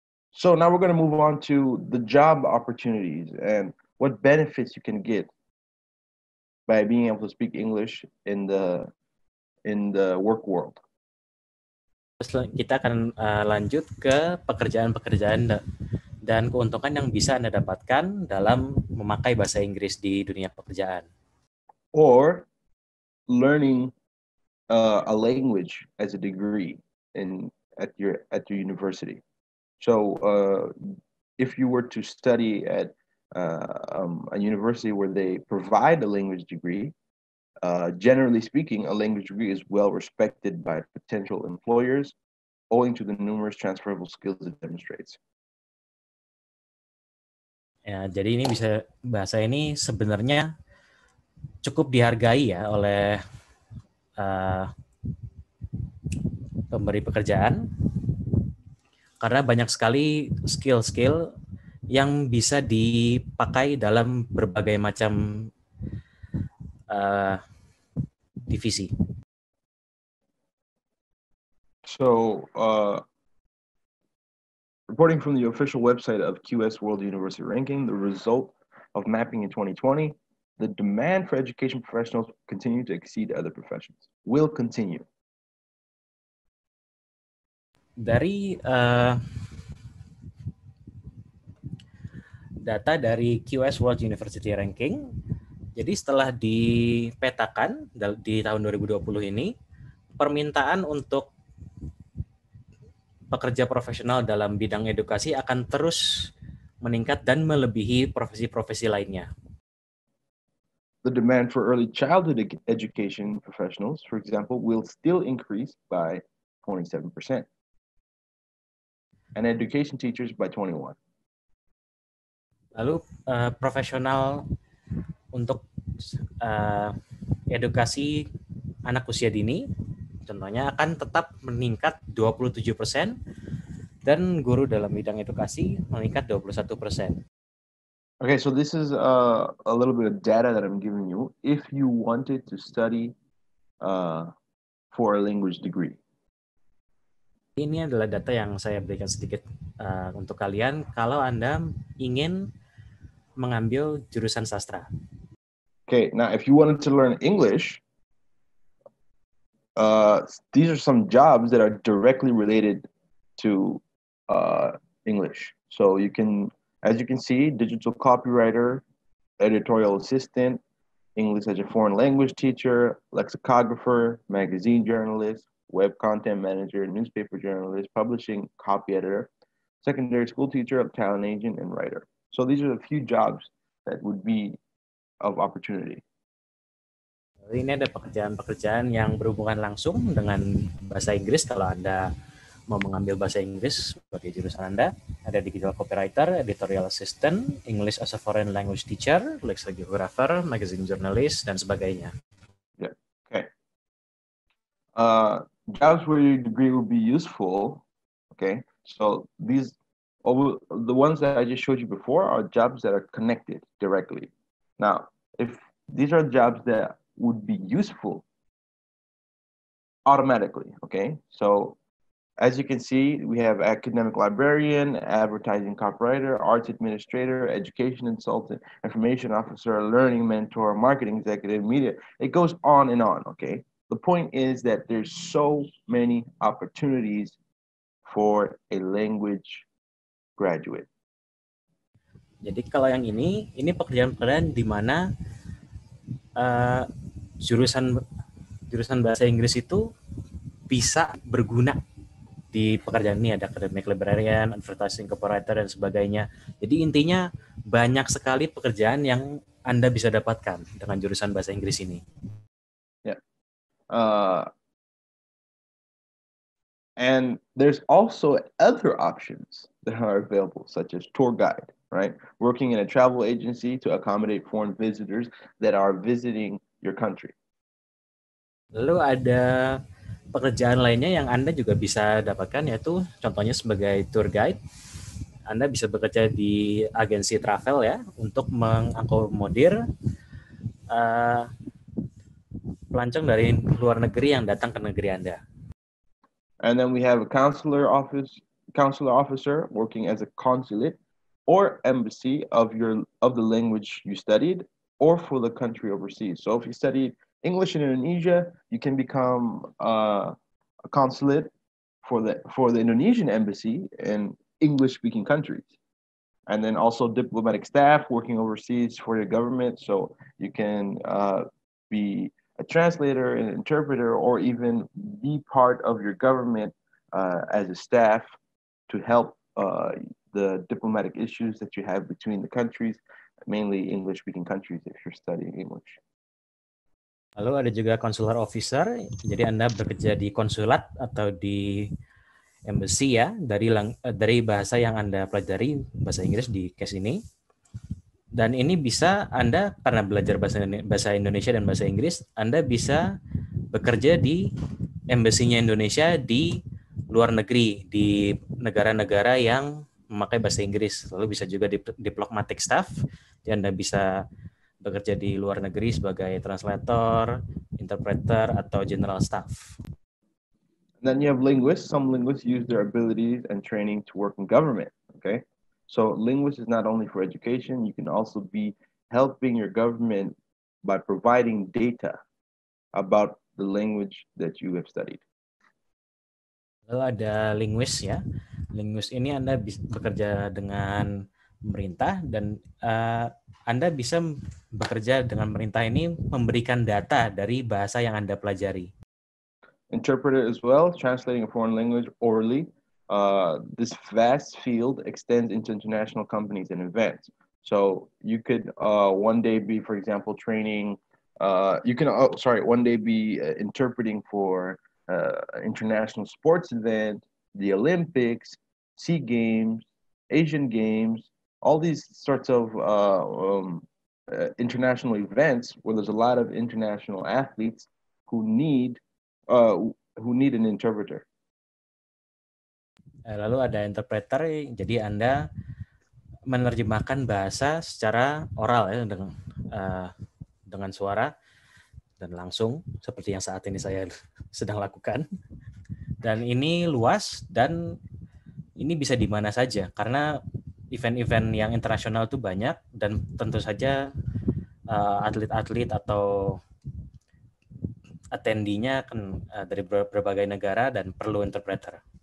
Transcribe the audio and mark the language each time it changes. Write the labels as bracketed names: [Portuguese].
[English] So now we're going to move on to the job opportunities and what benefits you can get by being able to speak English in the work world. [Indonesian] Kita akan lanjut ke pekerjaan-pekerjaan dan keuntungan yang bisa Anda dapatkan dalam memakai bahasa Inggris di dunia pekerjaan. [English] Or learning a language as a degree in at your university. So if you were to study at a university where they provide a language degree, generally speaking, a language degree is well respected by potential employers owing to the numerous transferable skills it demonstrates. [Indonesian] Ya, jadi ini bisa bahasa ini sebenarnya cukup dihargai ya oleh pemberi pekerjaan karena banyak sekali skill-skill yang bisa dipakai dalam berbagai macam divisi. [English] So, reporting from the official website of QS World University Ranking, the result of mapping in 2020, the demand for education professionals continue to exceed other professions. Will continue. [Indonesian] Dari data dari QS World University Ranking, jadi setelah dipetakan di tahun 2020 ini, permintaan untuk pekerja profesional dalam bidang edukasi akan terus meningkat dan melebihi profesi-profesi lainnya. [English] The demand for early childhood education professionals, for example, will still increase by 27%. And education teachers by 21%. [Indonesian] Lalu profesional untuk edukasi anak usia dini, contohnya akan tetap meningkat 27% dan guru dalam bidang edukasi meningkat 21%. [English] Okay, so this is a little bit of data that I'm giving you. If you wanted to study for a language degree. [Indonesian] Ini adalah data yang saya berikan sedikit untuk kalian kalau Anda ingin mengambil jurusan sastra. [English] Okay, now if you wanted to learn English, these are some jobs that are directly related to English. So you can, as you can see, digital copywriter, editorial assistant, English as a foreign language teacher, lexicographer, magazine journalist, web content manager, newspaper journalist, publishing copy editor, secondary school teacher, talent agent, and writer. So these are a few jobs that would be of opportunity. [Indonesian] Ini ada pekerjaan-pekerjaan yang berhubungan langsung dengan bahasa Inggris. Kalau Anda mau mengambil bahasa Inggris sebagai jurusan Anda, ada [English] digital copywriter, editorial assistant, English as a foreign language teacher, lexicographer, magazine journalist, [Indonesian] dan sebagainya. [English] Yeah. Okay. Jobs where your degree will be useful. Okay. So these, the ones that I just showed you before are jobs that are connected directly. Now, if these are jobs that would be useful automatically, okay? So as you can see, we have academic librarian, advertising copywriter, arts administrator, education consultant, information officer, learning mentor, marketing executive, media. It goes on and on, okay? The point is that there's so many opportunities for a language graduate. [Indonesian] Jadi kalau yang ini pekerjaan-pekerjaan di mana jurusan bahasa Inggris itu bisa berguna di pekerjaan ini, ada [English] academic librarian, advertising copywriter, [Indonesian] dan sebagainya. Jadi intinya banyak sekali pekerjaan yang Anda bisa dapatkan dengan jurusan bahasa Inggris ini. [English] And there's also other options that are available, such as tour guide, right? Working in a travel agency to accommodate foreign visitors that are visiting your country. [Indonesian] Lalu ada pekerjaan lainnya yang Anda juga bisa dapatkan, yaitu contohnya sebagai tour guide. Anda bisa bekerja di agensi travel ya untuk mengakomodir pelancong dari luar negeri yang datang ke negeri Anda. [English] And then we have a consular officer working as a consulate or embassy of the language you studied or for the country overseas. So if you studied English in Indonesia, you can become a consulate for the Indonesian embassy in English speaking countries. And then also diplomatic staff working overseas for your government, so you can be a translator, an interpreter, or even be part of your government as a staff to help the diplomatic issues that you have between the countries, mainly English-speaking countries if you're studying English. [Indonesian] Lalu ada juga consular officer, jadi Anda bekerja di konsulat atau di embassy ya, dari bahasa yang Anda pelajari, bahasa Inggris di case ini. Dan ini bisa Anda, karena belajar bahasa Indonesia dan bahasa Inggris, Anda bisa bekerja di embassy-nya Indonesia di luar negeri, di negara-negara yang memakai bahasa Inggris. Lalu bisa juga di diplomatic staff, jadi Anda bisa bekerja di luar negeri sebagai translator, interpreter, atau general staff. [English] And then you have linguists. Some linguists use their abilities and training to work in government, okay? So linguists is not only for education, you can also be helping your government by providing data about the language that you have studied. [Indonesian] Lalu ada linguist ya. Linguist ini Anda bekerja dengan pemerintah dan Anda bisa bekerja dengan pemerintah ini memberikan data dari bahasa yang Anda pelajari. [English] Interpreter as well, translating a foreign language orally. This vast field extends into international companies and events. So you could one day be, for example, training. One day be interpreting for international sports event, the Olympics, SEA Games, Asian Games, all these sorts of international events where there's a lot of international athletes who need an interpreter. [Indonesian] Lalu ada interpreter, jadi Anda menerjemahkan bahasa secara oral ya, dengan suara dan langsung seperti yang saat ini saya sedang lakukan. Dan ini luas dan ini bisa di mana saja karena event-event yang internasional itu banyak dan tentu saja atlet-atlet atau attendee-nya kan dari berbagai negara dan perlu interpreter.